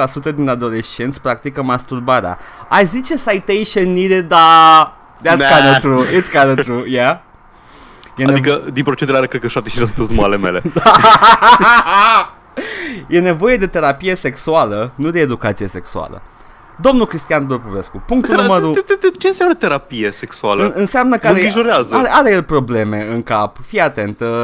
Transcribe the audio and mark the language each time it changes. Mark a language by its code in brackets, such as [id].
[ro] 80-90% din adolescenți practică masturbarea. Ai zice [en] citation needed, [ro] dar [en] that's kind of true. It's kind of true, yeah. [ro] Adică din procedere are cred că 70% sunt ale mele. E nevoie de terapie sexuală, nu de educație sexuală. Domnul Cristian Tudor Popescu, punctul numărul... Ce înseamnă terapie sexuală? Înseamnă că are el probleme în cap. Fii atent.